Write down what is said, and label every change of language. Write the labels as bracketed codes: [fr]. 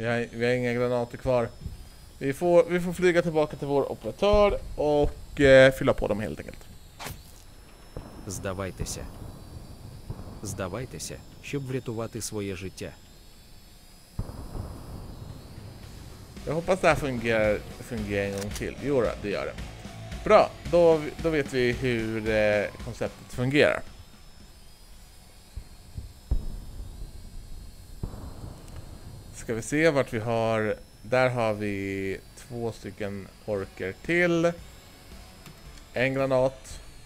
[sv] Vi har inga granater kvar. Vi får flyga tillbaka till vår operatör och fylla på dem helt enkelt. [uk] Здавайтеся. Здавайтеся, щоб врятувати своє життя. [sv] Jag hoppas det här fungerar en gång till. Jo, det gör det. Bra, då vet vi hur konceptet fungerar. Ska vi se vart vi har... Där har vi två stycken orker till. En granat.